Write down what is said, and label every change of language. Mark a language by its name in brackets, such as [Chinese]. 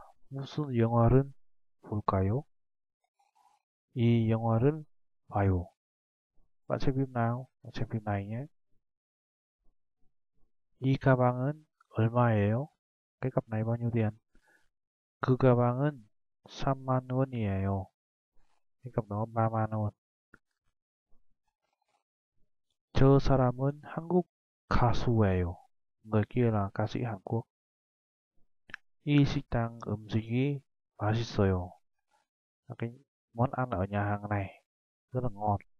[Korean] 무슨 영화를 볼까요? 이 영화를 봐요. [Vietnamese] Bạn xem phim nào? Bạn xem phim này nhé. [Korean] 이 가방은 얼마예요? [Vietnamese] Cái cặp này bao nhiêu tiền? [Korean] 그 가방은 3만 원이에요. [Vietnamese] Cái cặp đó 3만 원. [Korean] 저 사람은 한국 가수예요. [Vietnamese] Người kia là ca sĩ Hàn Quốc. [Korean] 이 식당 음식이 맛있어요. [Vietnamese] 그 món ăn ở nhà hàng này rất là ngon.